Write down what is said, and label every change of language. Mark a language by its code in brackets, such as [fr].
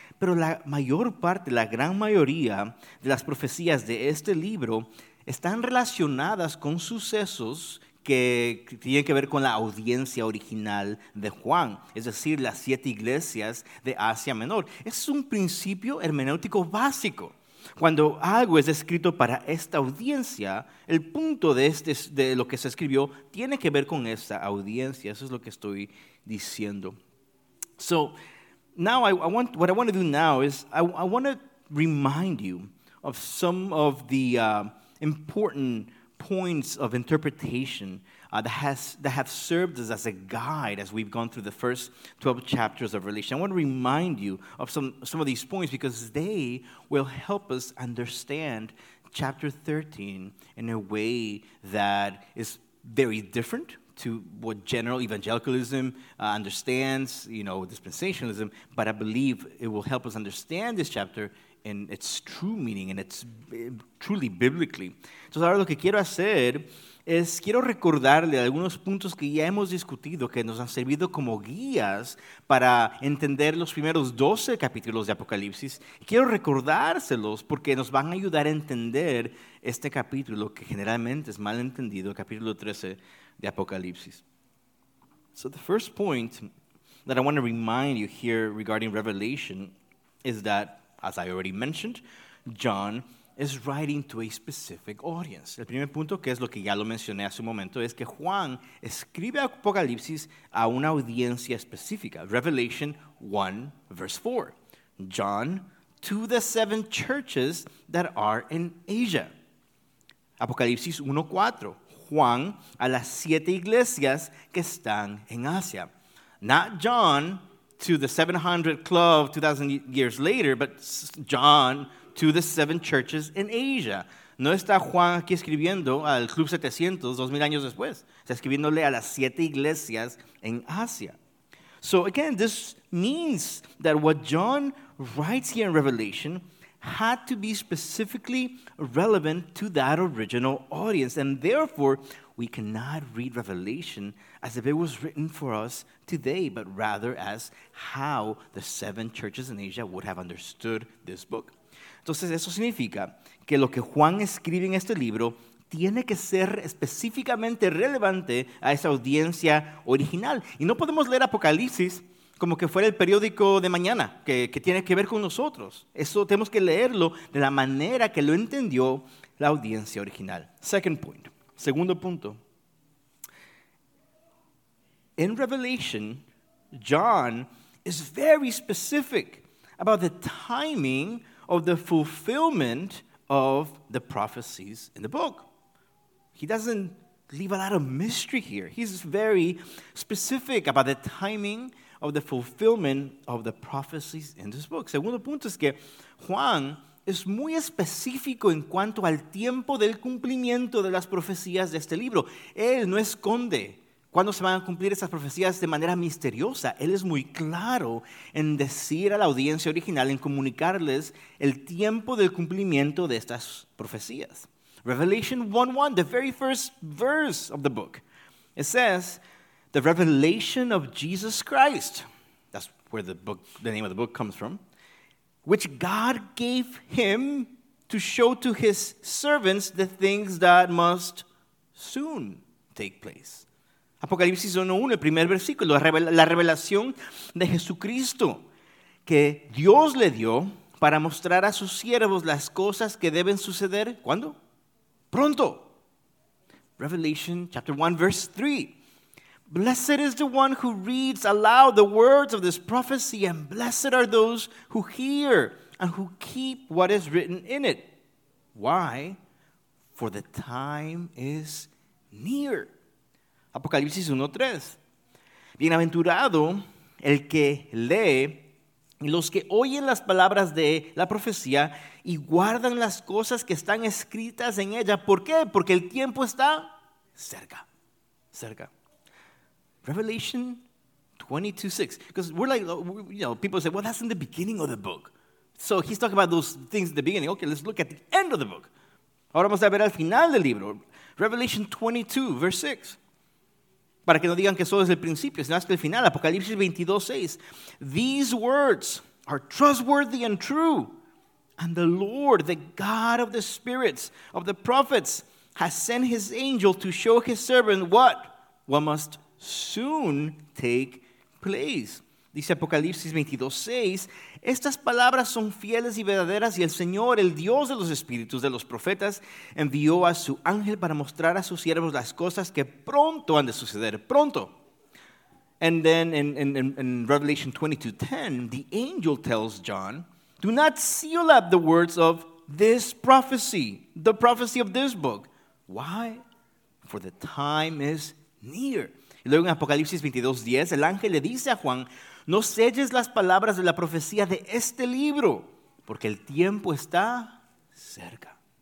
[es] Pero la mayor parte, la gran mayoría de las profecías de este libro están relacionadas con sucesos que tienen que ver con la audiencia original de Juan, es decir, las siete iglesias de Asia Menor. Es un principio hermenéutico básico. Cuando algo es escrito para esta audiencia, el punto de lo que se escribió tiene que ver con esta audiencia. Eso es lo que estoy diciendo. [en] So, now I want to remind you of some of the important points of interpretation that have served us as a guide as we've gone through the first 12 chapters of Revelation. I want to remind you of some of these points because they will help us understand chapter 13 in a way that is very different to what general evangelicalism understands, you know, dispensationalism, but I believe it will help us understand this chapter in its true meaning, and it's truly biblically. [es] Entonces, ahora lo que quiero hacer es, quiero recordarle algunos puntos que ya hemos discutido, que nos han servido como guías para entender los primeros 12 capítulos de Apocalipsis. Quiero recordárselos porque nos van a ayudar a entender este capítulo, que generalmente es mal entendido, el capítulo 13 de Apocalipsis. [en] So the first point that I want to remind you here regarding Revelation is that, as I already mentioned, John is writing to a specific audience. [es] El primer punto, que es lo que ya lo mencioné hace un momento, es que Juan escribe Apocalipsis a una audiencia específica. [en] Revelation 1, verse 4. John to the seven churches that are in Asia. [es] Apocalipsis 1, 4. Juan a las siete iglesias que están en Asia. [en] Not John to the 700 club 2,000 years later, but John to the seven churches in Asia. [es] No está Juan aquí escribiendo al Club 700 2,000 años después. Está escribiéndole a las siete iglesias en Asia. [en] So again, this means that what John writes here in Revelation had to be specifically relevant to that original audience. And therefore, we cannot read Revelation as if it was written for us today, but rather as how the seven churches in Asia would have understood this book. [es] Entonces, eso significa que lo que Juan escribe en este libro tiene que ser específicamente relevante a esa audiencia original. Y no podemos leer Apocalipsis como que fuera el periódico de mañana, que tiene que ver con nosotros. Eso tenemos que leerlo de la manera que lo entendió la audiencia original. [en] Second point. [es] Segundo punto. [en] In Revelation, John is very specific about the timing of the fulfillment of the prophecies in the book. He doesn't leave a lot of mystery here. He's very specific about the timing of the fulfillment of the prophecies in this book. [es] Segundo punto es que Juan es muy específico en cuanto al tiempo del cumplimiento de las profecías de este libro. Él no esconde cuándo se van a cumplir esas profecías de manera misteriosa. Él es muy claro en decir a la audiencia original, en comunicarles el tiempo del cumplimiento de estas profecías. [en] Revelation 1:1, the very first verse of the book. It says, the revelation of Jesus Christ. That's where the name of the book comes from. Which God gave him to show to his servants the things that must soon take place. [es] Apocalipsis 1:1, el primer versículo, la revelación de Jesucristo que Dios le dio para mostrar a sus siervos las cosas que deben suceder. ¿Cuándo? Pronto. [en] Revelation chapter 1, verse 3. Blessed is the one who reads aloud the words of this prophecy, and blessed are those who hear and who keep what is written in it. Why? For the time is near. [es] Apocalipsis 1:3. Bienaventurado el que lee y los que oyen las palabras de la profecía y guardan las cosas que están escritas en ella. ¿Por qué? Porque el tiempo está cerca. Cerca. [en] Revelation 22:6. Because we're like, you know, people say, well, that's in the beginning of the book. So he's talking about those things in the beginning. Okay, let's look at the end of the book. [es] Ahora vamos a ver al final del libro. [en] Revelation 22:6. [es] Para que no digan que solo es el principio, sino hasta el final. Apocalipsis 22:6. [en] These words are trustworthy and true. And the Lord, the God of the spirits, of the prophets, has sent his angel to show his servant what? What must soon take place. [es] Dice Apocalipsis 22:6. Estas palabras son fieles y verdaderas, y el Señor, el Dios de los espíritus de los profetas, envió a su ángel para mostrar a sus siervos las cosas que pronto han de suceder. Pronto. [en] And then in Revelation 22:10, the angel tells John, do not seal up the words of this prophecy, the prophecy of this book. Why? For the time is near. [es] Y luego en Apocalipsis 22:10, el ángel le dice a Juan, no selles las palabras de la profecía de este libro, porque el tiempo está cerca.